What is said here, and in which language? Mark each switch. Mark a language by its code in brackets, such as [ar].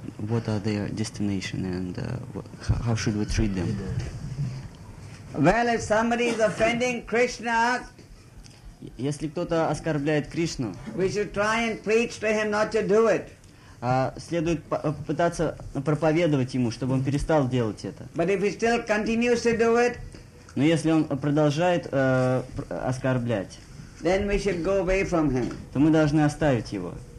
[en] What are their destination and how should we treat them? Well, if somebody is offending Krishna, [ru] если кто-то оскорбляет Кришну, [en] we should try and preach to him not to do it. [ru] Следует попытаться проповедовать ему, чтобы он перестал делать это. [en] But if he still continues to do it, [ru] но если он продолжает оскорблять, [en] then we should go away from him. [ru] То мы должны оставить его.